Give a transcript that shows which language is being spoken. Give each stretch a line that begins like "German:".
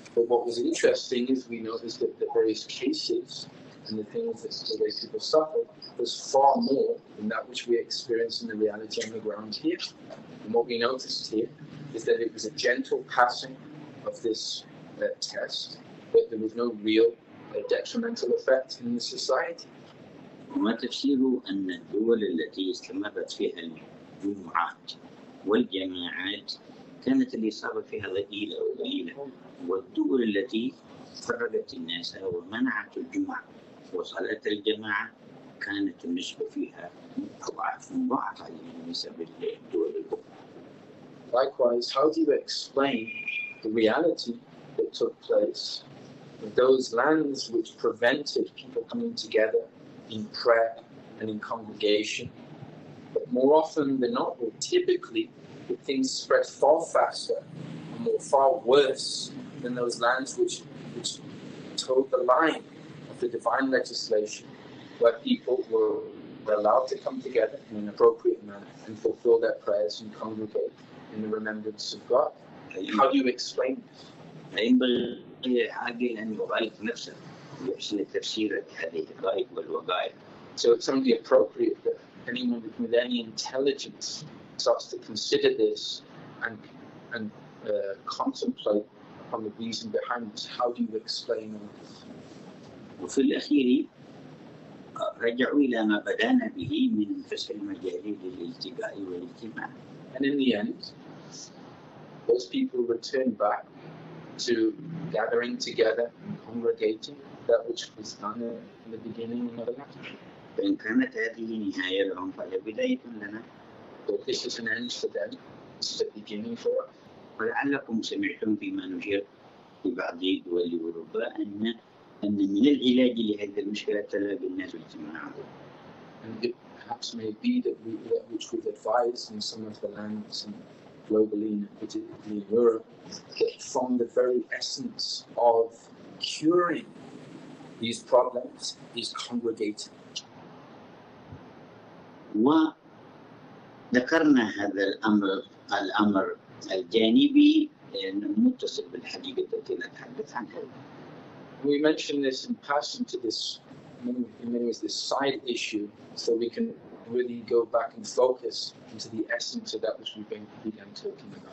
English: But what was interesting is we noticed that the various cases and the things that the way people suffered was far more than that which we experience in the reality on the ground here. And what we noticed here is that it was a gentle passing of this test, but there was no real detrimental effect in the society.
Arabic: وما تفسير أن الدول التي استمرت فيها الجمعات والجماعات كانت الإصابة فيها ضئيلة وضئيلة والدول التي فرقت الناس ومنعت الجمعة وصلاة الجماعة كانت النسبة فيها أضعاف مضاعفة بالنسبة للدول الأخرى.
English: Likewise, how do you explain the reality that took place in those lands which prevented people coming together in prayer and in congregation? But more often than not, or typically, the things spread far faster and more far worse than those lands which towed the line the divine legislation, where people were allowed to come together in an appropriate manner and fulfill their prayers and congregate in the remembrance of God. How do you explain this? So it's only appropriate that anyone with any intelligence starts to consider this and contemplate on the reason behind this. How do you explain all this?
Arabic: وفي الأخير رجعوا إلى ما بدأنا به من الفسح المجالي للالتقاء والاجتماع.
English: And in the end, those people return back to gathering together and congregating, that which was done in the beginning of the matter.
Arabic: فإن كانت هذه نهاية لهم فهي بداية لنا.
English: But this is an end for them, this is the beginning for us.
Arabic: ولعلكم سمعتم فيما نشر في بعض دول أوروبا أن من العلاج لهذه المشكلة طلب الناس اجتماعهم.
English: And it perhaps may be that we, which we've advised in some of the lands and globally, particularly in Europe, that from the very essence of curing these problems is congregating.
Arabic: وذكرنا هذا الأمر الجانبي المتصل بالحقيقة التي نتحدث عنها.
English: We mentioned this in passing to this, in many ways, this side issue, so we can really go back and focus into the essence of that which we've begun talking